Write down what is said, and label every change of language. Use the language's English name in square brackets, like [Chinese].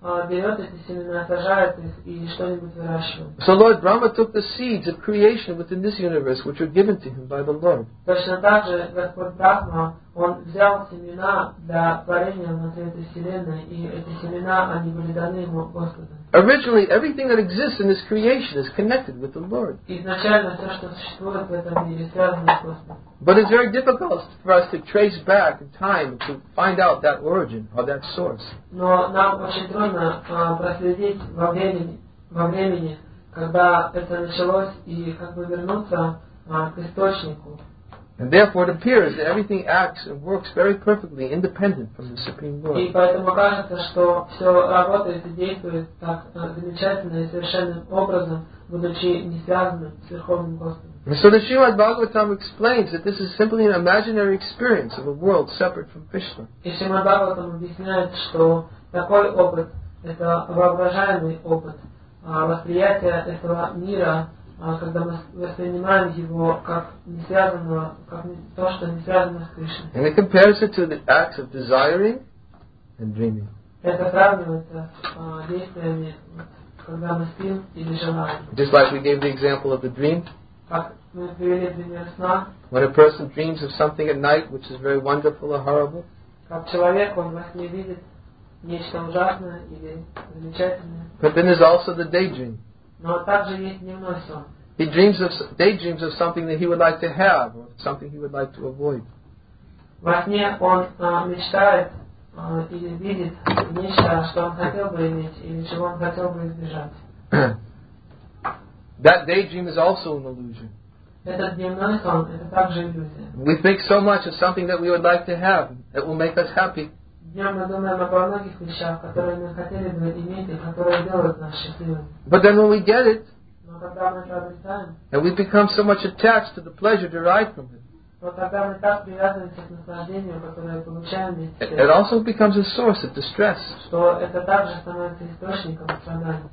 [Russian] Берет эти семена, сажает их и что-нибудь выращивает. [English] So Lord Brahma took the seeds of creation within this universe which were given to him by the Lord. [Russian] Точно так же Господь Брахма, он взял семена для творения внутри этой вселенной, и эти семена, они были даны ему Господом. [English] Originally, everything that exists in this creation is connected with the Lord. [Russian] Изначально все, что существует в этом мире, связано с Господом. [English] But it's very difficult for us to trace back in time to find out that origin or that source. [Russian] Но нам очень трудно проследить во времени, когда это началось, и как бы вернуться к источнику. [English] And therefore it appears that everything acts and works very perfectly independent from the Supreme Lord. [Russian] И поэтому кажется, что все работает и действует так замечательно и совершенным образом, будучи не связанным с Верховным Господом. [English] So the Srimad Bhagavatam explains that this is simply an imaginary experience of a world separate from Krishna. [Russian] И Srimad Bhagavatam объясняет, что такой опыт – это воображаемый опыт, восприятие этого мира, когда мы воспринимаем его как не связанного, как то, что не связано с Кришной. [English] And it compares it to the acts of desiring and dreaming. [Russian] Это сравнивается с действиями, когда мы спим или желаем. [English] Just like we gave the example of the dream. [Russian] Как мы привели пример сна. [English] When a person dreams of something at night which is very wonderful or horrible. [Russian] Как человек, он во сне видит нечто ужасное или замечательное. [English] But then there's also the daydream. [Russian] Но также есть дневной сон. [English] He dreams of daydreams of something that he would like to have or something he would like to avoid. [Russian] Во сне он мечтает или видит нечто, что он хотел бы иметь или чего он хотел бы избежать. [English] That daydream is also an illusion. [Russian] Этот дневной сон это также иллюзия. [English] We think so much of something that we would like to have that will make us happy. [Russian] Днем мы думаем обо многих вещах, которые мы хотели бы иметь и которые делают нас счастливыми. [English] But then when we get it, [Russian] но когда мы это обретаем, [English] and we become so much attached to the pleasure derived from it, [Russian] но тогда мы так привязываемся к наслаждению, которое получаем из этого, [English] it also becomes a source of distress. [Russian] Что это также становится источником страданий.